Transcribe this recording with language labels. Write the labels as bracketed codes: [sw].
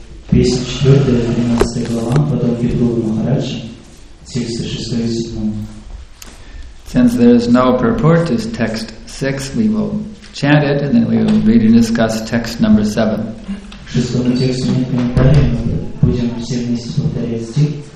[ru] Песня 4, 12 глава, потомки Дхрувы Махарадж, тексты 6 и 7. [en] Since there is no purport to text 6, we will chant it and then we will read and discuss text number 7. [ru] В шестом тексте нет комментариев, мы будем все вместе повторять стих.